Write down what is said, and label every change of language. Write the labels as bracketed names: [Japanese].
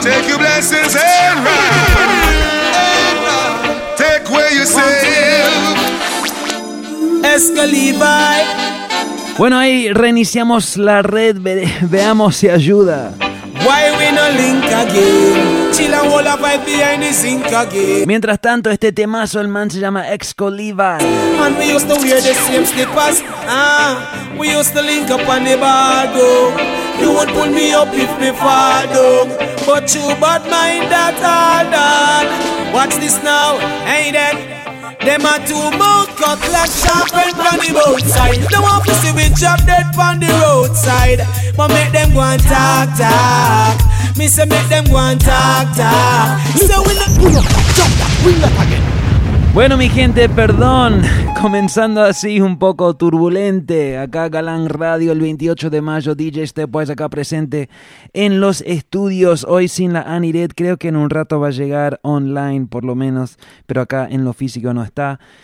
[English] Take your blessings and run. Take where you save. Escaliba. [Spanish] Bueno, ahí reiniciamos la red. Veamos si ayuda. [English] Why we no link again? Chill and hold up right behind the sink again. [Spanish] Mientras tanto, este temazo, el man se llama Exco Levi. [English] And we used to wear the same slippers. We used to link up on the bar, though. You would pull me up if me fall, though. But you bad mind that all done. Watch this now, hey then. Them a two mouth cut like sharp end on the roadside. Them want to see me drop dead on the roadside. But make them go and talk, talk. Me say make them go and talk, talk. So we not pull up, drop that, we not again. [Spanish] Bueno, mi gente, perdón, comenzando así un poco turbulente, acá Galán Radio, el 28 de mayo, DJ Stepwise acá presente en los estudios, hoy sin la Aniret, creo que en un rato va a llegar online por lo menos, pero acá en lo físico no está.